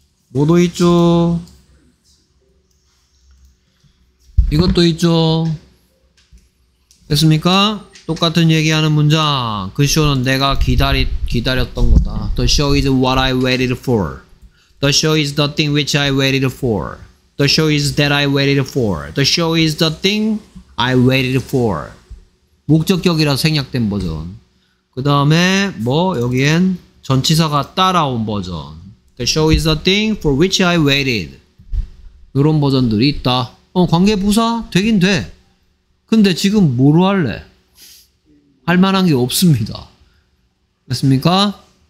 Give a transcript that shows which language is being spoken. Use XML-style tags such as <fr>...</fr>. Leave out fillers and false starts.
<ko>뭐도 있죠? 이것도 있죠? 됐습니까? 똑같은 얘기하는 문장. 그 쇼는 내가 기다렸던 거다.</ko> <en>The show is what I waited for. The show is the thing which I waited for. The show is that I waited for. The show is the thing I waited for.</en> <ko>목적격이라 생략된 버전. 그 다음에 뭐 여기엔 전치사가 따라온 버전.</ko> <en>The show is the thing for which I waited.</en> <ko>이런 버전들이 있다. 어, 관계부사? 되긴 돼. 근데 지금 뭐로 할래? 할 만한 게 없습니다. 됐습니까?</ko>